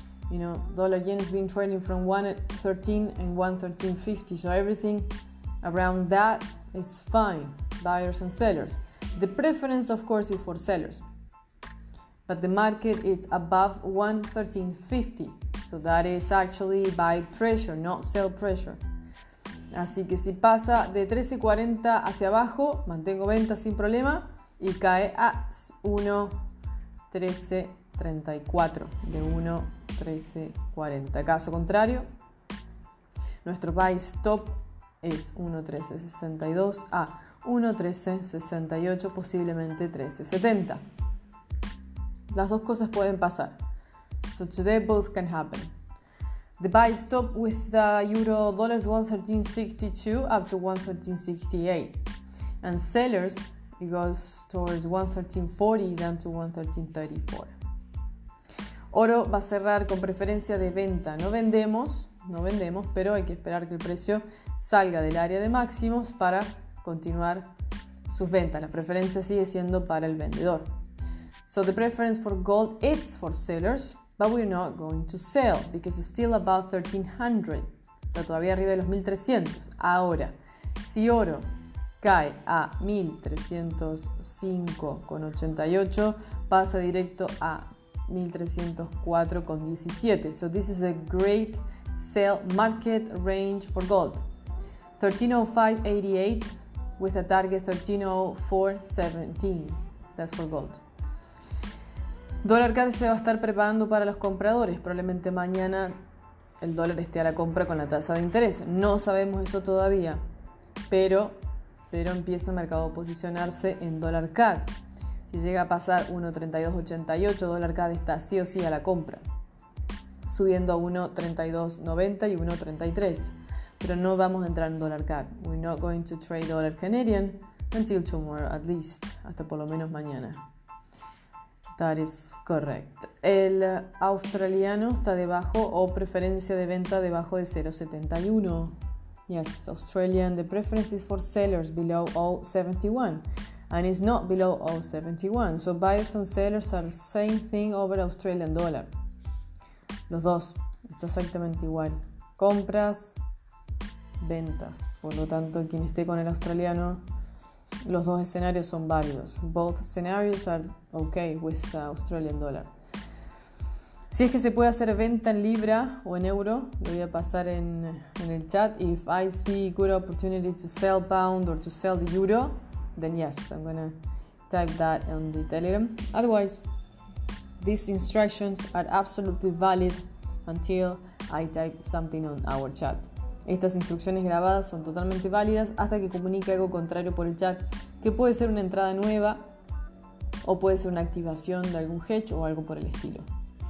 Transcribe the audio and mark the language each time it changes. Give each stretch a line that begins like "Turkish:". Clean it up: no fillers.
English: You know, dollar yen has been trading from 1.13 and 1.13.50. So everything around that is fine, buyers and sellers. The preference, of course, is for sellers. But the market is above 1.13.50. So that is actually buy pressure, not sell pressure.
Spanish: Así que si pasa de 13.40 hacia abajo, mantengo venta sin problema y cae a 1.13.34, de 1.13.40. Caso contrario, nuestro buy stop es 1.13.62 a 1.13.68, posiblemente 1.13.70. Las dos cosas pueden pasar.
English: So today both can happen. The buy stop with the euro dollar is 1.1362 up to 1.1368. And sellers, it goes towards 1.1340 down to 1.1334.
Spanish: Oro va a cerrar con preferencia de venta. No vendemos, pero hay que esperar que el precio salga del área de máximos para continuar sus ventas. La preferencia sigue siendo para el vendedor.
English: So the preference for gold is for sellers, but we're not going to sell because it's still above 1300.
Spanish: Está todavía arriba de los 1300. Ahora, si oro cae a 1305.88, pasa directo a 1304.17.
English: So this is a great sell market range for gold. 1305.88 with a target 1304.17. That's for gold.
Spanish: Dólar CAD se va a estar preparando para los compradores. Probablemente mañana el dólar esté a la compra con la tasa de interés. No sabemos eso todavía, pero empieza el mercado a posicionarse en dólar CAD. Si llega a pasar 1.3288, dólar CAD está sí o sí a la compra, subiendo a 1.3290 y 1.33. Pero no vamos a entrar en dólar CAD.
English: We're not going to trade dollar Canadian until tomorrow at least.
Spanish: Hasta por lo menos mañana.
English: That is correct.
Spanish: El australiano está debajo o preferencia de venta debajo de 0.71.
English: Yes, Australian, the preference is for sellers below 0.71 and it's not below 0.71. So buyers and sellers are the same thing over Australian dollar.
Spanish: Los dos, está exactamente igual. Compras, ventas. Por lo tanto, quien esté con el australiano, los dos escenarios son válidos.
English: Both scenarios are okay with the Australian dollar.
Spanish: Si es que se puede hacer venta en libra o en euro, lo voy a pasar en el chat.
English: If I see good opportunity to sell pound or to sell the euro, then yes, I'm gonna type that on the Telegram. Otherwise, these instructions are absolutely valid until I type something on our chat.
Spanish: Estas instrucciones grabadas son totalmente válidas hasta que comunique algo contrario por el chat, que puede ser una entrada nueva o puede ser una activación de algún hedge o algo por el estilo.